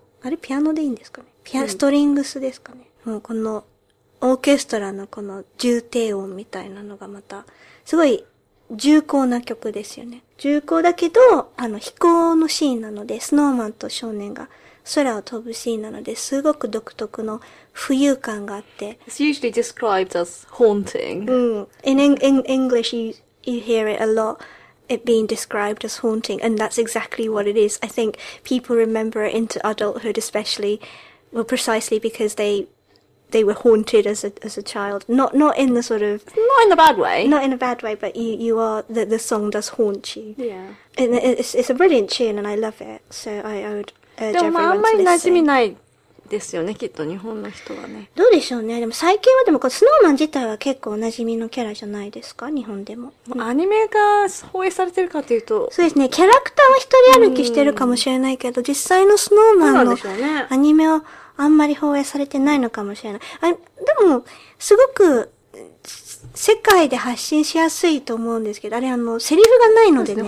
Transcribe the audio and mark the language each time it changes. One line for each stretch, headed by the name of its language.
Japanese: あれピアノでいいんですかね？ピア、ストリングスですかね？もうこのオーケストラのこの重低音みたいなのがまた、すごい重厚な曲ですよね。重厚だけど、あの飛行のシーンなので、スノーマンと少年が空を飛ぶシーンなので、すごく独特の浮遊感があって。
English: It's usually described as haunting.
Japanese: うん。
English: In English, you hear it a lot, it being described as haunting, and that's exactly what it is. I think people remember it into adulthood, especially, well, precisely because they were haunted as a child. Not in the sort of... Not in a bad way. Not in a bad way, but you are... The song does haunt you. Yeah. And it's a brilliant tune, and I love it. So I would urge everyone to listen.
Japanese: でもあんまり馴染みないですよね、きっと日本の人はね。どうでしょうね。でも最近はでも、スノーマン自体は結構馴染みのキャラじゃないですか、日本でも。アニメが放映されてるかというと。そうですね。キャラクターは一人歩きしてるかもしれないけど、実際のスノーマンのアニメをあんまり放映されてないのかもしれない。あ、でも、すごく、世界で発信しやすいと思うんですけど、あれセリフがないのでね。